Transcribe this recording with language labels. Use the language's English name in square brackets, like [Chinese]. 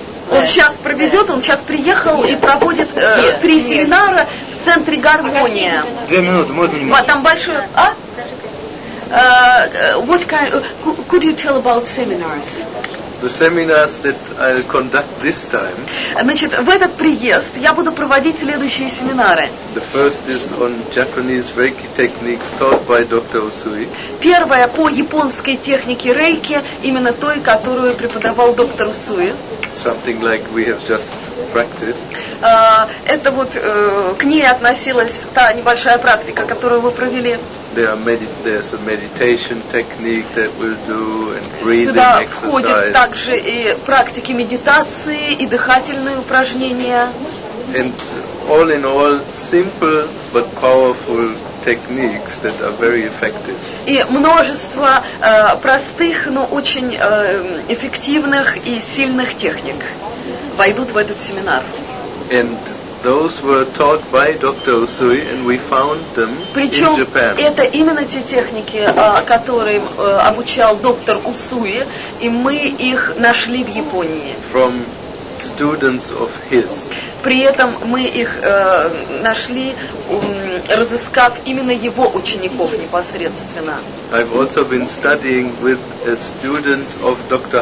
[Russian] Он сейчас проведет, он сейчас приехал и проводит три семинара в центре гармония. Две минуты, можно немного? Там большой... А? [English] What kind... Could you tell about seminars? The seminars that I'll conduct this time. [Russian] Значит, в этот приезд я буду проводить следующие семинары. [English] The first is on Japanese Reiki techniques taught by Dr. Usui. [Russian] Первое по японской технике Рейки, именно той, которую преподавал доктор Усуи. [English] Something like we have just practiced. [Russian] Это вот к ней относилась та небольшая практика, которую вы провели. [English] There's a meditation technique that we'll do and breathing exercise. [Russian] Сюда входит также и практики медитации и дыхательные упражнения. [English] And all in all, simple but powerful techniques that are very effective. [Russian] И множество простых, но очень эффективных и сильных техник войдут в этот семинар. [English] And those were taught by Dr. Usui, and we found them [Russian] Причем [English] in Japan. [Russian] Причем это именно те техники, которым обучал доктор Усуи, и мы их нашли в Японии. [English] From students of his. [Russian] при этом мы их нашли, разыскав именно его учеников непосредственно. [English] I've also been studying with a student of Dr.